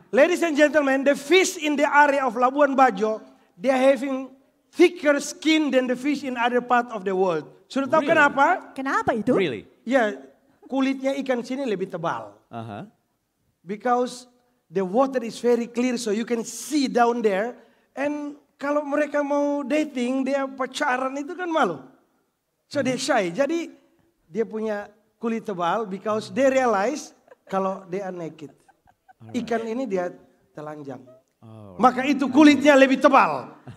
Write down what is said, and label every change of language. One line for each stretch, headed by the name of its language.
English: Ladies and gentlemen, the fish in the area of Labuan Bajo, they are having thicker skin than the fish in other part of the world.
Indonesian: Sudah tahu
English: really?
Indonesian: Kenapa? Kenapa itu?
English: Really?
Indonesian: Ya, kulitnya ikan sini lebih tebal.
English: Because the water is very clear, so you can see down there.
Indonesian: And kalau mereka mau dating, dia pacaran itu kan malu.
English: So they shy.
Indonesian: Jadi dia punya kulit tebal
English: because they realize
Indonesian: kalau
English: they are naked.
Indonesian: Ikan ini dia telanjang. Maka itu kulitnya lebih tebal.